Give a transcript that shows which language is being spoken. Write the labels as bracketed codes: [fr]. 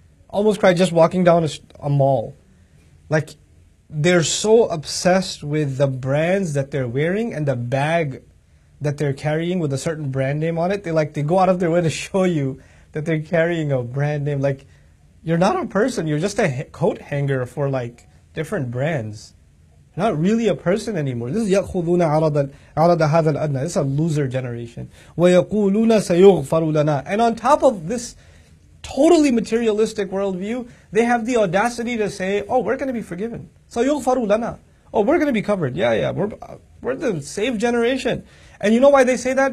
[en] Almost cried just walking down a mall. Like, they're so obsessed with the brands that they're wearing and the bag that they're carrying with a certain brand name on it. They go out of their way to show you that they're carrying a brand name. Like, you're not a person, you're just a coat hanger for like different brands. Not really a person anymore. This is [ar] يَأْخُذُونَ عَرَضَ هَذَا الْأَدْنَى. [en] This is a loser generation. [ar] وَيَقُولُونَ سَيُغْفَرُ لَنَا. [en] And on top of this totally materialistic worldview, they have the audacity to say, oh, we're going to be forgiven. [ar] سَيُغْفَرُ لَنَا. [en] Oh, we're going to be covered. Yeah, we're the saved generation. And you know why they say that?